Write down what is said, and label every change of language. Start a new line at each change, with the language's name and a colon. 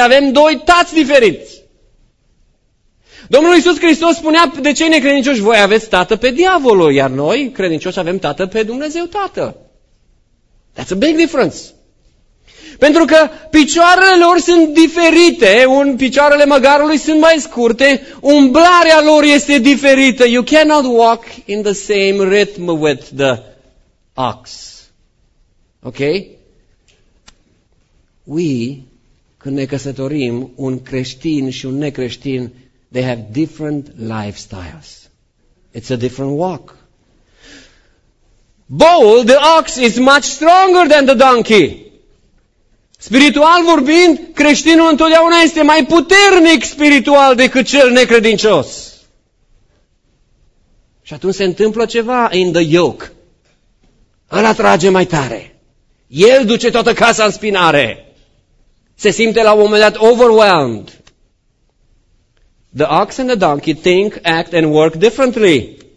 Romanian: Avem doi tați diferiți. Domnul Iisus Hristos spunea, de cei necredincioși, voi aveți tată pe diavolul, iar noi, credincioși, avem tată pe Dumnezeu Tatăl.
English: That's a big difference.
Romanian: Pentru că picioarele lor sunt diferite, picioarele măgarului sunt mai scurte, umblarea lor este diferită.
English: You cannot walk in the same rhythm with the ox. Ok?
Romanian: We, când ne căsătorim, un creștin și un necreștin,
English: they have different lifestyles. It's a different walk. Bull, the ox, is much stronger than the donkey.
Romanian: Spiritual vorbind, creștinul întotdeauna este mai puternic spiritual decât cel necredincios. Și atunci se întâmplă ceva
English: in the yoke.
Romanian: Îl atrage mai tare. El duce toată casa în spinare. Se simte la un moment dat overwhelmed.
English: The ox and the donkey think, act and work differently.